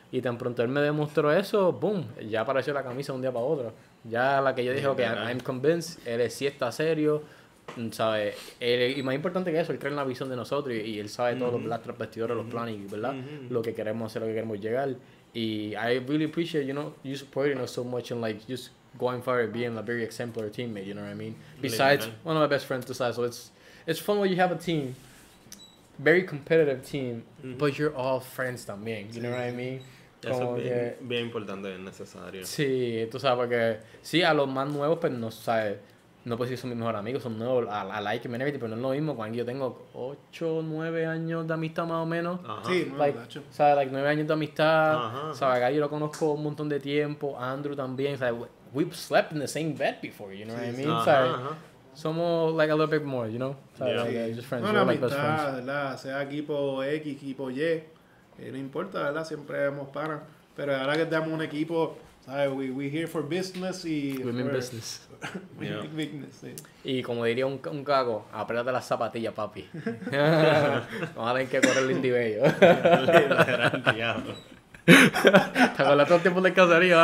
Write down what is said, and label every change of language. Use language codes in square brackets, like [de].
[es] Y tan pronto él me demostró eso, boom, ya apareció la camisa un día para otro. Ya la que yo dije, ok, claro. [en] I'm convinced, [es] él sí está serio, ¿sabes? Y más importante que eso, él cree en la visión de nosotros y él sabe todos los tras vestidores, los planes, ¿verdad? Lo que queremos hacer, lo que queremos llegar. [en] Y I really appreciate, you know, you supporting us so much and like just going forward and being a very exemplary teammate, you know what I mean? Besides, literal, one of my best friends besides, so it's fun when you have a team. Very competitive team, but you're all friends también, you know what I mean? [es] Eso como es bien importante, bien necesario. Sí, tú sabes, porque sí, a los más nuevos, pues no sabes, no puedo decir son mis mejores amigos, son nuevos, [en] I like them, [es] pero no es lo mismo cuando yo tengo 8, 9 años de amistad más o menos. Sí, like, muy ¿sabes? Like 9 años de amistad, ¿sabes? Gary lo conozco un montón de tiempo, Andrew también, ¿sabes? [en] We've slept in the same bed before, you know what I mean? Somos like a little bit more, you know? [es] Like amistad, ¿verdad? Sea equipo X, equipo Y, no importa, ¿verdad? Siempre vemos para. Pero ahora que estamos un equipo, ¿sabes? [en] We here for business y... Business. Business, sí. [es] Y como diría un cago, apriétate las zapatillas, papi. Vamos a tener que correr el Indy Bello. Te acuerdas todo el tiempo del caserío,